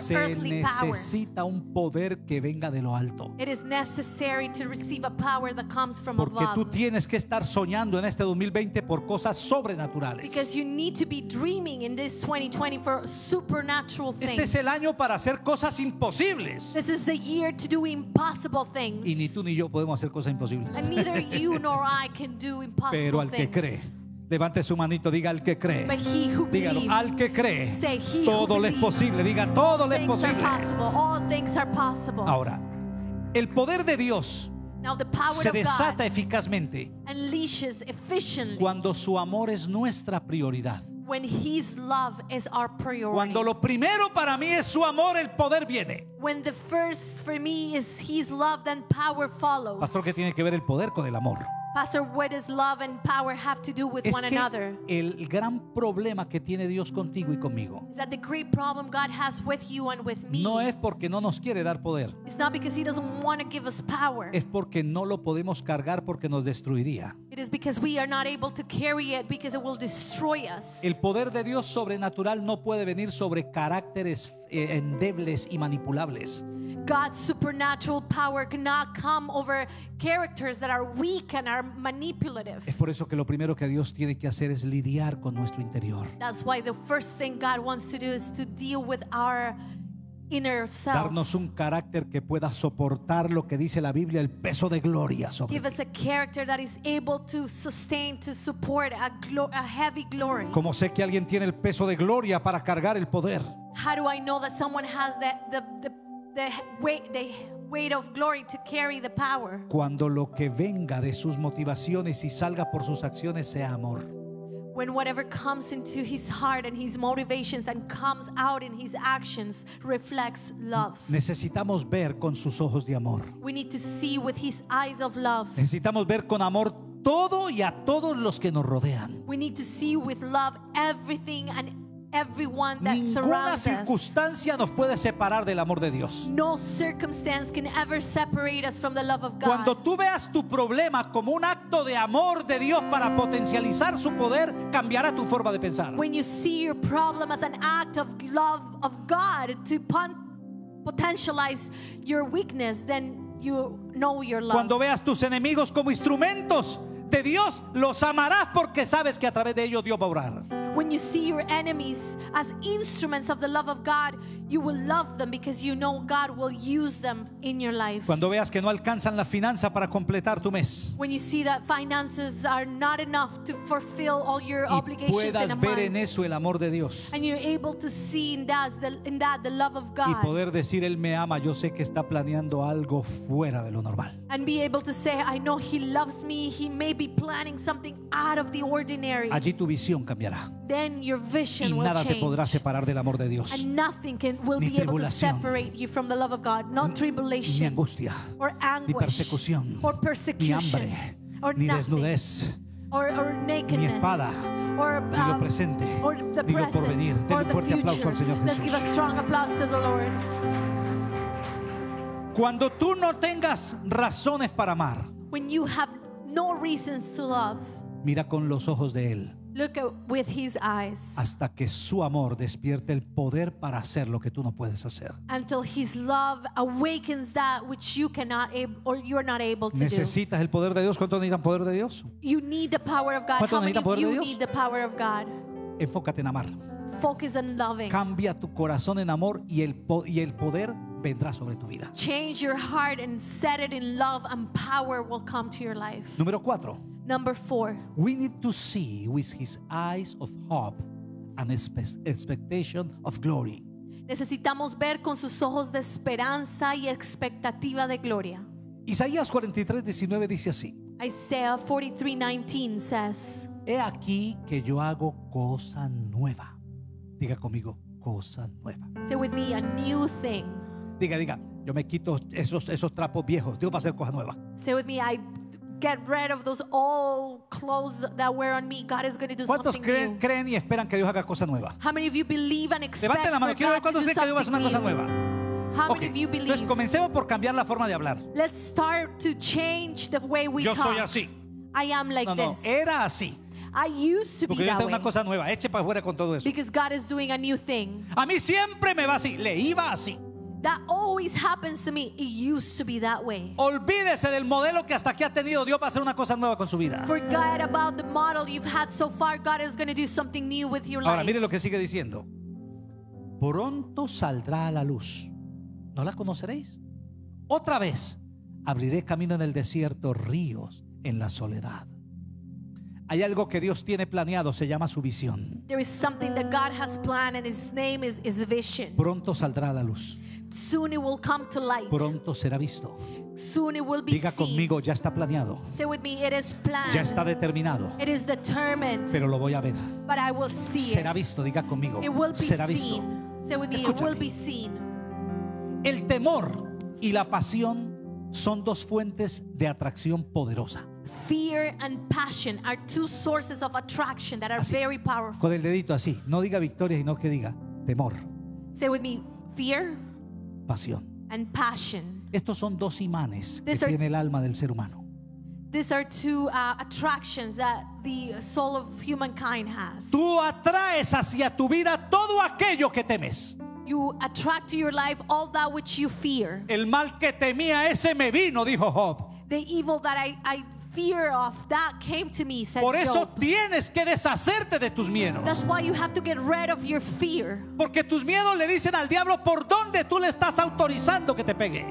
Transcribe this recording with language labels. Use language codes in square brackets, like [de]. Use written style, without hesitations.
[es] Se [en] earthly power. [es] Necesita un poder que venga de lo alto. [en] It is necessary to receive a power that comes from [es] Porque [en] above. [es] Porque tú tienes que estar soñando en este 2020 por cosas sobrenaturales. [en] Because you need to be dreaming in this 2020 for supernatural things. [es] Este es el año para hacer cosas imposibles. [en] This is the year to do impossible things. [es] Y ni tú ni yo podemos hacer cosas imposibles. [en] And neither you nor I can do impossible [es] Pero al que [en] things. [es] Cree. Levante su manito, diga al que cree. Dígalo, al que cree. Todo le es posible, diga todo le es posible. [en] All things are possible. [es] Ahora, el poder de Dios [en] Now, the power [es] se desata [en] God [es] eficazmente [en] unleashes efficiently [es] cuando su amor es nuestra prioridad. [en] When his love is our priority. [es] Cuando lo primero para mí es su amor, el poder viene. [en] When the first for me is his love, then power follows. [es] Pastor, ¿qué tiene que ver el poder con el amor? [en] Pastor, what does love and power have to do with [es] es [en] one another? [es] El gran problema que tiene Dios contigo y conmigo. [en] Is that the great problem God has with you and with me? [es] No es porque no nos quiere dar poder. [en] It's not because he doesn't want to give us power. [es] Es porque no lo podemos cargar porque nos destruiría. [en] It is because we are not able to carry it because it will destroy us. [es] El poder de Dios sobrenatural no puede venir sobre caracteres endebles y manipulables. [en] God's supernatural power cannot come over characters that are weak and are manipulative. [es] Es por eso que lo primero que Dios tiene que hacer es lidiar con nuestro interior. [en] That's why the first thing God wants to do is to deal with our inner self. [es] Darnos un carácter que pueda soportar lo que dice la Biblia, el peso de gloria sobre. [en] Give us a character that is able to sustain, to support a heavy glory. [es] Como sé que alguien tiene el peso de gloria para cargar el poder. [en] How do I know that someone has the weight of glory to carry the power? [es] Cuando lo que venga de sus motivaciones y salga por sus acciones sea amor. [en] When whatever comes into his heart and his motivations and comes out in his actions reflects love. [es] Necesitamos ver con sus ojos de amor. [en] We need to see with his eyes of love. [es] Necesitamos ver con amor todo y a todos los que nos rodean. [en] We need to see with love everything and everyone that [es] ninguna [en] surrounds us. [es] Ninguna circunstancia nos puede separar del amor de Dios. [en] No circumstance can ever separate us from the love of God. [es] Cuando tú veas tu problema como un acto de amor de Dios para potencializar su poder, cambiará tu forma de pensar. [en] When you see your problem as an act of love of God to potentialize your weakness, then you know your love. [es] Cuando veas tus enemigos como instrumentos de Dios, los amarás porque sabes que a través de ellos Dios va a obrar. [en] When you see your enemies as instruments of the love of God, you will love them because you know God will use them in your life. [es] Cuando veas que no alcanzan la finanza para completar tu mes. [en] When you see that finances are not enough to fulfill all your obligations in a month. [es] Y puedas ver en eso el amor de Dios. [en] And you're able to see in that the love of God. [es] Y poder decir Él me ama, yo sé que está planeando algo fuera de lo normal. [en] And be able to say, I know He loves me. He may be planning something out of the ordinary. [es] Allí tu visión cambiará. [en] Then your vision will change. [es] Y nada te podrá separar del amor de Dios. [en] And nothing will be able to separate you from the love of God. Not tribulation. [es] Ni angustia. [en] Or anguish. [es] Ni persecución. [en] Or persecution. [es] Ni hambre. [en] Or [es] ni desnudez. [en] Or nakedness. [es] Ni espada. Ni lo presente. [en] Or the present. [es] Ni lo porvenir. Den un fuerte aplauso al Señor Jesús. [en] Let's give a strong applause to the Lord. [es] Cuando tú no tengas razones para amar. [en] When you have no reasons to love. [es] Mira con los ojos de Él. [en] Look with his eyes. [es] Hasta que su amor despierte el poder para hacer lo que tú no puedes hacer. [en] Until his love awakens that which you cannot or you're not able to. [es] ¿Necesitas [en] do. [es] El poder de Dios? ¿Cuánto necesitan poder de Dios? [en] You need the power of God. [es] ¿Cuánto necesitan poder de Dios? [en] You need the power of God. [es] Enfócate en amar. [en] Focus on loving. [es] Cambia tu corazón en amor y el poder vendrá sobre tu vida. [en] Change your heart and set it in love and power will come to your life. [es] Número 4. [en] Number 4. We need to see with his eyes of hope and expectation of glory. [es] Necesitamos ver con sus ojos de esperanza y expectativa de gloria. Isaías 43:19 dice así. [en] Isaiah 43:19 says, [es] he aquí que yo hago cosa nueva. Diga conmigo, cosa nueva. [en] Say with me, a new thing. [es] Diga, yo me quito esos trapos viejos, Dios va a hacer cosa nueva. [en] Say with me, I get rid of those old clothes that wear on me. God is going to do something new. [es] ¿Cuántos creen y esperan que Dios haga cosa nueva? [en] How many of you believe and expect? [es] Levanten la mano. Quiero ver cuántos creen que Dios va a hacer una cosa nueva. [en] How many of you believe? [es] Entonces comencemos por cambiar la forma de hablar. [en] Let's start to change the way we talk. [es] Yo soy así. [en] I am like this. [es] No, era así. [en] I used to [es] porque [en] be that way. [es] Una cosa nueva. Eche para fuera con todo eso. [en] Because God is doing a new thing. [es] A mí siempre me va así. Le iba así. [en] That always happens to me. It used to be that way. [es] Olvídese del modelo que hasta aquí ha tenido Dios para hacer una cosa nueva con su vida. [en] Forget about the model you've had so far. God is going to do something new with your life. [es] Ahora mire lo que sigue diciendo. Pronto saldrá a la luz. ¿No la conoceréis? Otra vez abriré camino en el desierto, ríos en la soledad. Hay algo que Dios tiene planeado, se llama su visión. [en] There is something that God has planned and his name is his vision. [es] Pronto saldrá a la luz. [en] Soon it will come to light. [es] Pronto será visto. [en] Soon it will be [es] diga conmigo, ya está planeado. [en] Say with me, it is planned. [es] Ya está determinado. [en] It is determined. [es] Pero lo voy a ver. [en] But I will see [es] será Será visto, diga conmigo. [en] It will be [es] será [en] seen. [es] Visto. [en] Say with me, [es] escúchame. [en] It will be seen. [es] El temor y la pasión son dos fuentes de atracción poderosa. [en] Fear and passion are two sources of attraction that are [es] así, [en] very powerful. [es] Con el dedito así, no diga victoria, sino que diga temor. [en] Say with me, fear, [es] pasión, [en] and passion. [es] Estos son dos imanes que tiene el alma del ser humano. [en] These are two attractions that the soul of humankind has. [es] Tú atraes hacia tu vida todo aquello que temes. [en] You attract to your life all that which you fear. [es] El mal que temía, ese me vino, dijo Job. [en] The evil that I fear of, that came to me, said [es] por eso [en] Job. [es] Tienes que deshacerte de tus miedos. [en] That's why you have to get rid of your fear. [es] Porque tus miedos le dicen al diablo por dónde tú le estás autorizando que te pegue.